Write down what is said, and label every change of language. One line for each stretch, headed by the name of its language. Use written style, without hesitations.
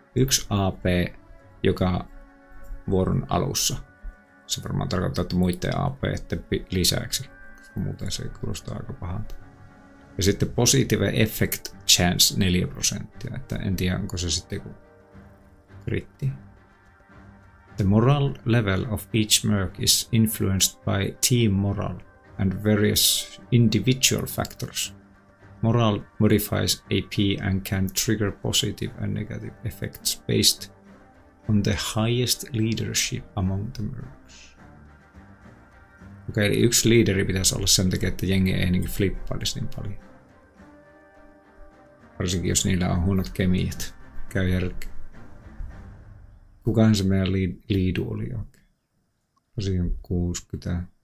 Finnish: 1 AP joka vuoron alussa. Se varmaan tarkoittaa, että muiden AP lisäksi. Muuten se kuulostaa aika pahalta. Ja sitten positive effect chance 4%. Että en tiedä, onko se sitten joku kritti.
English: The moral level of each merc is influenced by team moral and various individual factors. Moral modifies AP and can trigger positive and negative effects based on the highest leadership among the mercs.
Finnish: Okei, yksi leaderi pitäisi olla sen takia, että jengi ei niin flippailisi niin paljon. Varsinkin jos niillä on huonot kemiat. Käy järkeä. Kukahan se meidän liidu oli oikein? Tosiaan 60.